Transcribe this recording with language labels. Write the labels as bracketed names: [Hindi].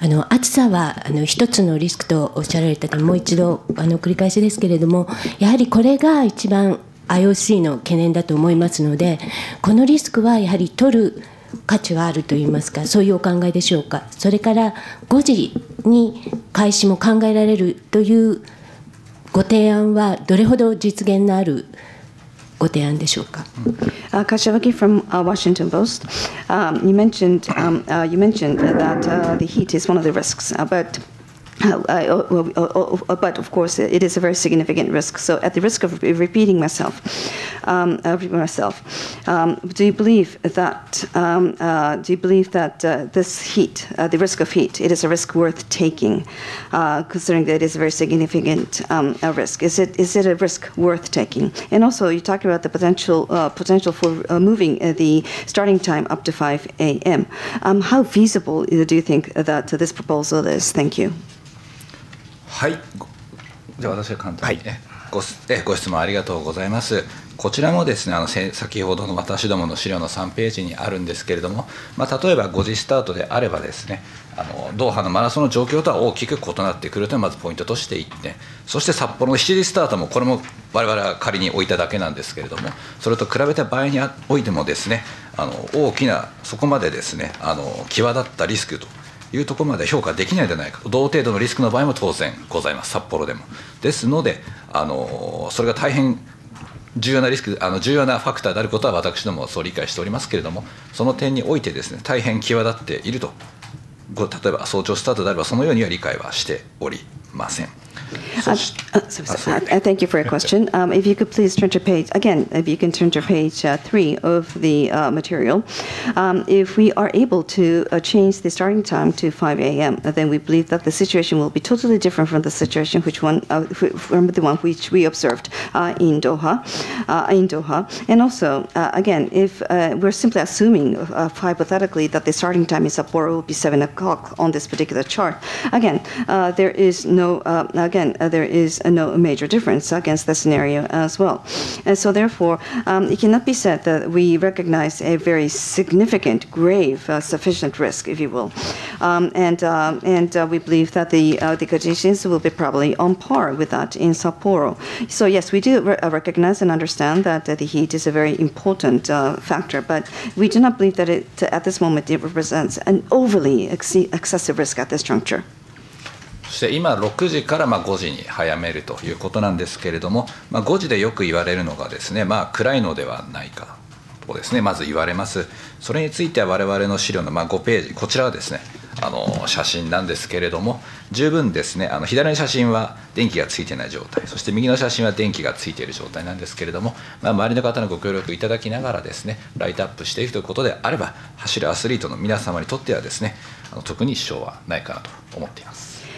[Japanese] 暑さは一つのリスクとおっしゃられたので、もう一度繰り返しですけれども、やはりこれが一番 IOC の懸念だと思いますので、このリスクはやはり取る価値はあるといいますか、そういうお考えでしょうか。それから5時に開始も考えられるというご提案はどれほど実現のあるご提案でしょうか。 [English] Kashiwagi from Washington Post. You mentioned that the heat is one of the risks, but of course it is a very significant risk. So at the risk of repeating myself, do you believe that this heat, the risk of heat, it is a risk worth taking, considering that it is a very significant a risk? Is it a risk worth taking? And also you talked about the potential for moving the starting time up to 5 a.m. How feasible do you think that this proposal is? Thank you. [Japanese] はい、じゃあ私は簡単に、ね、はい、ご質問ありがとうございます。こちらもですね、先ほどの私どもの資料の3ページにあるんですけれども、まあ、例えば5時スタートであればですね、ドーハのマラソンの状況とは大きく異なってくるというのがまずポイントとして言って、そして札幌の7時スタートも、これも我々は仮に置いただけなんですけれども、それと比べた場合においてもですね、大きなそこまでですね、際立ったリスクというところまで評価できないではないか、同程度のリスクの場合も当然ございます、札幌でも。ですので、それが大変重要なリスク、重要なファクターであることは私どもそう理解しておりますけれども、その点においてですね、大変際立っていると、例えば早朝スタートであればそのようには理解はしておりません。 [English] Thank you for your question. If you could please turn to page, again, if you can turn to page three of the material. If we are able to change the starting time to 5 a.m., then we believe that the situation will be totally different from the situation which one, from the one which we observed in Doha. And also, again, if we're simply assuming hypothetically that the starting time is up or will be 7 o'clock on this particular chart, again, there is no, again, there is no major difference against the scenario as well. And so therefore, it cannot be said that we recognize a very significant, grave, sufficient risk, if you will. We believe that the conditions will be probably on par with that in Sapporo. So yes, we do recognize and understand that the heat is a very important factor, but we do not believe that it, at this moment, it represents an overly excessive risk at this juncture. [Japanese] そして今6時からまあ5時に早めるということなんですけれども、まあ、5時でよく言われるのがですね、まあ、暗いのではないかとですね、まず言われます。それについては我々の資料のまあ5ページこちらはですね、あの写真なんですけれども、十分ですね、あの左の写真は電気がついていない状態、そして右の写真は電気がついている状態なんですけれども、まあ、周りの方のご協力いただきながらですね、ライトアップしていくということであれば、走るアスリートの皆様にとってはですね、あの特に支障はないかなと思っています。